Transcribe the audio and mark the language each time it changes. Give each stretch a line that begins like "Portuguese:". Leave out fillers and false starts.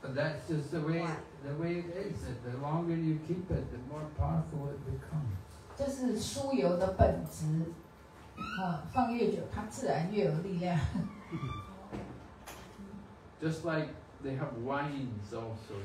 English: But that's just the way it is. That the longer you keep it, the more powerful it becomes.
Chinese: 这是酥油的本质，放越久，它自然越有力量。
English: Just like they have wines also.